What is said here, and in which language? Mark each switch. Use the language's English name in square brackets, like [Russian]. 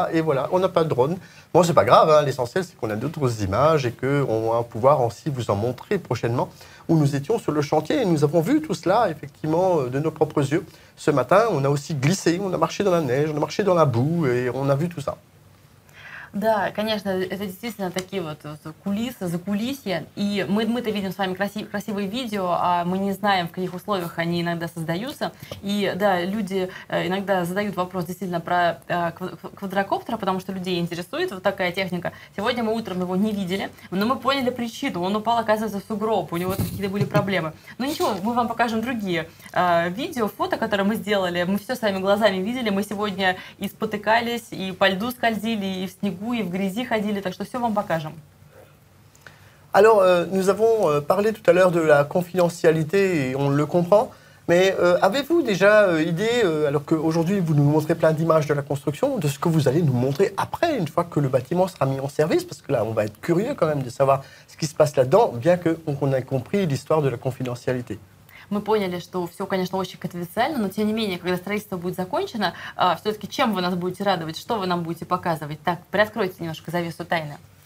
[French] Et voilà, on n'a pas de drone. Bon, ce n'est pas grave, hein, l'essentiel, c'est qu'on a d'autres images et qu'on va pouvoir aussi vous en montrer prochainement où nous étions sur le chantier. Et nous avons vu tout cela, effectivement, de nos propres yeux. Ce matin, on a aussi glissé, on a marché dans la neige, on a marché dans la boue et on a vu tout ça. [Russian] Да, конечно, это действительно такие вот кулисы, закулисья, и мы-то видим с вами красивые видео, а мы не знаем, в каких условиях они иногда создаются, и да, люди иногда задают вопрос действительно про квадрокоптера, потому что людей интересует вот такая техника. Сегодня мы утром его не видели, но мы поняли причину, он упал, оказывается, в сугроб, у него там какие-то были проблемы. Но ничего, мы вам покажем другие видео, фото, которые мы сделали, мы все своими глазами видели, мы сегодня и спотыкались, и по льду скользили, и в снегу, и в грязи ходили, так что все вам покажем. [French] Alors, nous avons parlé tout à l'heure de la confidentialité, et on le comprend, mais avez-vous déjà idée, alors qu'aujourd'hui vous nous montrez plein d'images de la construction, de ce que vous allez nous montrer après, une fois que le bâtiment sera mis en service, parce que là, on va être curieux quand même de savoir ce qui se passe là-dedans, bien qu'on ait compris l'histoire de la confidentialité. [Russian] Мы поняли, что все, конечно, очень конфиденциально, но тем не менее, когда строительство будет закончено, все-таки чем вы нас будете радовать, что вы нам будете показывать? Так, приоткройте немножко завесу тайны.